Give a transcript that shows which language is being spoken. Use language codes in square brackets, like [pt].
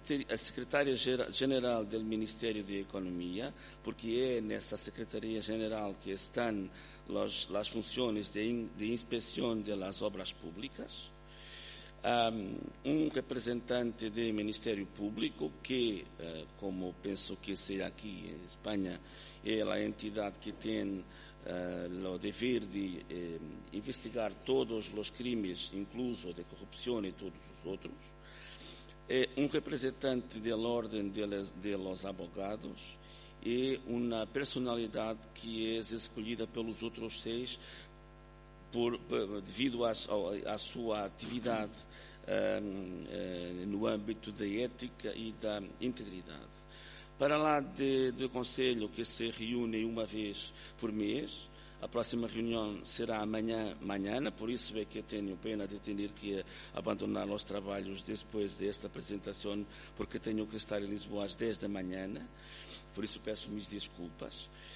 [pt] A Secretária-Geral do Ministério de Economia, porque é nessa Secretaria-Geral que estão [es] las funciones de inspección de las obras públicas, un representante del Ministerio Público que, como pienso que sea aquí en España, es la entidad que tiene lo deber de investigar todos los crímenes, incluso de corrupción y todos los otros, un representante del orden de los abogados y una personalidad que es escogida por los otros seis debido a su actividad en el ámbito de ética y de integridad. [pt] Para lá do Conselho, que se reúne uma vez por mês, a próxima reunião será amanhã, por isso é que tenho pena de ter que abandonar os trabalhos depois desta apresentação, porque tenho que estar em Lisboa às 10 da manhã, por isso peço minhas desculpas.